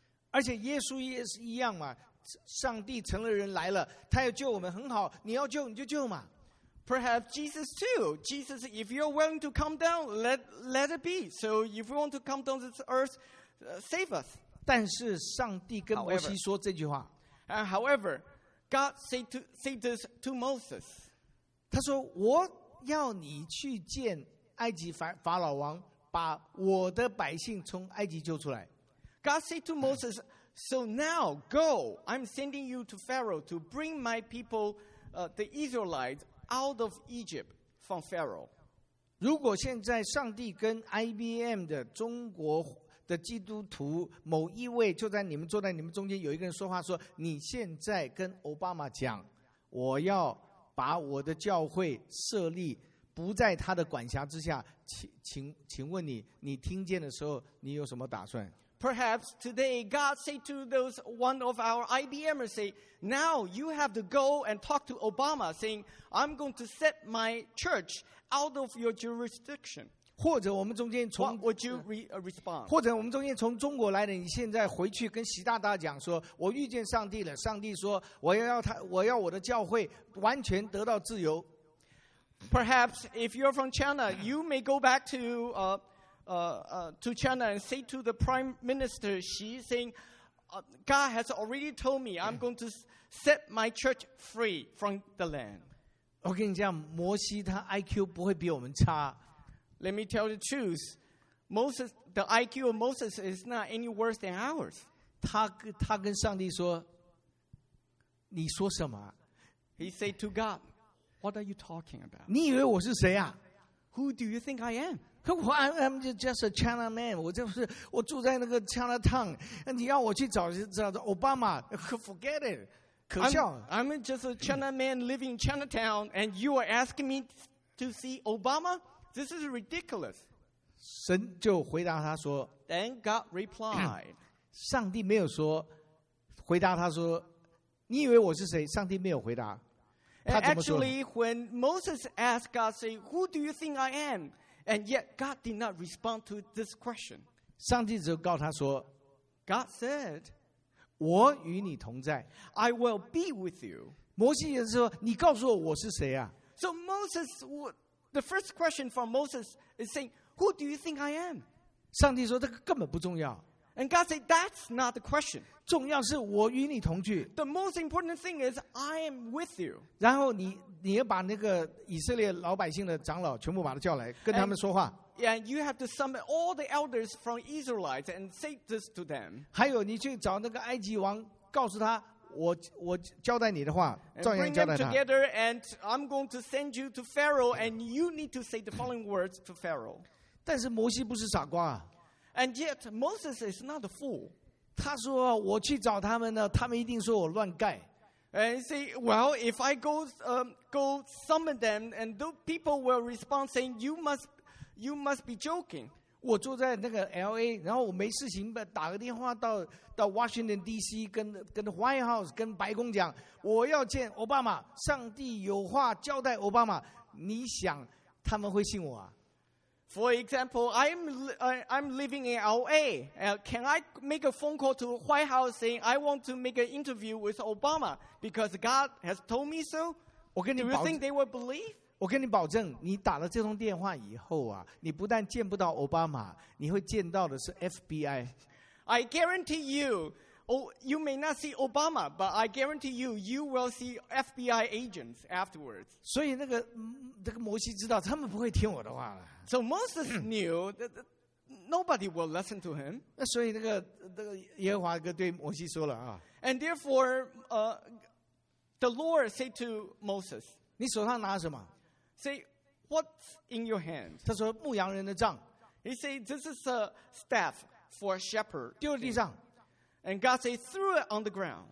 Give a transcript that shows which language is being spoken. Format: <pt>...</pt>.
<zh>而且耶稣也是一样嘛，上帝成了人来了，他要救我们很好，你要救你就救嘛。</zh> <en>Perhaps Jesus too. Jesus, if you're willing to come down, let it be. So if you want to come down to this earth, save us.</en> <zh>但是上帝跟摩西说这句话。</zh> <en>However, God said this to Moses.</en> <zh>他说我要你去见埃及法老王，把我的百姓从埃及救出来。</zh> <en>God said to Moses, So now go, I'm sending you to Pharaoh to bring my people, the Israelites, out of Egypt from Pharaoh.</en> <zh>如果现在上帝跟 IBM 的中国的基督徒某一位就在你们坐在你们中间，有一个人说话说，你现在跟奥巴马讲，我要把我的教会设立不在他的管辖之下，请问你，你听见的时候，你有什么打算？</zh> <en>Perhaps today God say to those one of our IBMers, say, now you have to go and talk to Obama, saying, I'm going to set my church out of your jurisdiction.</en> <zh>或者我们中间从</zh> <en>What would you respond?</en> <zh>或者我们中间从中国来的，你现在回去跟习大大讲说，我遇见上帝了，上帝说我要我的教会完全得到自由。</zh> <en>Perhaps if you're from China, you may go back to China and say to the Prime Minister Xi, saying, God has already told me I'm going to set my church free from the land.</en> <zh>我跟你讲，摩西他 IQ 不会比我们差。</zh> <en>Let me tell the truth. Moses, the IQ of Moses is not any worse than ours.</en> <zh>他跟上帝说，你说什么？</zh> <en>He said to God,What are you talking about?</en> <zh>你以为我是谁啊？</zh> <en>Who do you think I am? I'm just a China man.</en> <zh>我住在那个 China town. 你要我去找 Obama?</zh> <en>Forget it.</en> <zh>可笑。</zh> <en>I'm just a China man living in Chinatown, and you are asking me to see Obama? This is ridiculous.</en> <zh>神就回答他说。</zh> <en>Then God replied.</en> <zh>上帝没有说，回答他说，你以为我是谁？上帝没有回答。</zh> <en>And actually, when Moses asked God, say, Who do you think I am? And yet God did not respond to this question.</en> <zh>上帝只告他说,</zh> <en>God said,</en> <zh>我与你同在。</zh> <en>I will be with you.</en> <zh>摩西也说, 你告诉我我是谁啊?</zh> <en>So Moses, the first question from Moses is saying, Who do you think I am?</en> <zh>上帝说, 这个根本不重要。</zh> <en>And God said, That's not the question.</en> <zh>重要是我与你同居。</zh> <en>The most important thing is I am with you.</en> <zh>然后你要把那个以色列老百姓的长老全部把他叫来，跟他们说话。</zh> <en>And you have to summon all the elders from Israelites and say this to them.</en> <zh>还有你去找那个埃及王，告诉他我交代你的话，照样交代他。</zh> <en>Bring them together, and I'm going to send you to Pharaoh, and you need to say the following words to Pharaoh.</en> <zh>但是摩西不是傻瓜。</zh> <en>And yet Moses is not a fool.</en> <zh>他说我去找他们呢，他们一定说我乱盖。</zh> <en>And say, well, if I go summon them, and those people will respond saying, you must be joking.</en> <zh>我住在那个 LA, 然后我没事情打个电话到 Washington DC, 跟 White House, 跟白宫讲，我要见奥巴马，上帝有话交代奥巴马，你想他们会信我啊？</zh> <en>For example, I'm living in LA. Can I make a phone call to the White House saying I want to make an interview with Obama because God has told me so? Do you think they will believe?</en> <zh>我跟你保证, 你打了这通电话以后啊, 你不但见不到Obama, 你会见到的是FBI。</zh> <en>I guarantee you, you may not see Obama, but I guarantee you, you will see FBI agents afterwards.</en> <zh>所以那个摩西知道他们不会听我的话了。</zh> <en>So Moses knew that nobody will listen to him.</en> <zh>所以那个耶和华哥对摩西说了啊。</zh> <en>And therefore, the Lord said to Moses,</en> <zh>你手上拿什么?</zh> <en>Say, what's in your hand?</en> <zh>他说牧羊人的杖。</zh> <en>He said, this is a staff for a shepherd.</en> <zh>丢地上。</zh> <en>And God said, threw it on the ground.</en>